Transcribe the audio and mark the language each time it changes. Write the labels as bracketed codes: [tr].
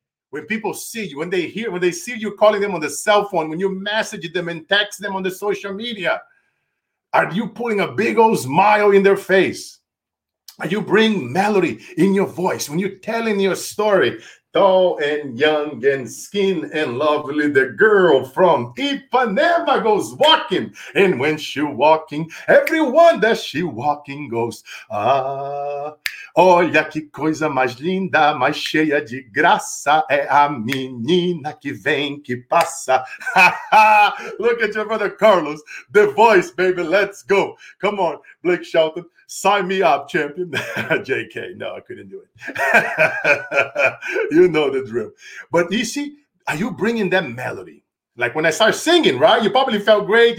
[en] When people see you, when they hear, when they see you calling them on the cell phone, when you message them and text them on the social media, are you putting a big old smile in their face? Are you bringing melody in your voice? When you're telling your story, tall and young and skin and lovely, the girl from Ipanema goes walking. And when she walking, everyone that she walking goes, [pt] ah, olha que coisa mais linda, mais cheia de graça, é a menina que vem, que passa. [en] Look at your brother Carlos, the voice, baby, let's go. Come on, Blake Shelton. Sign me up, champion. JK, no, I couldn't do it. You know the drill. But you see, are you bringing that melody? Like when I start singing, right? You probably felt great.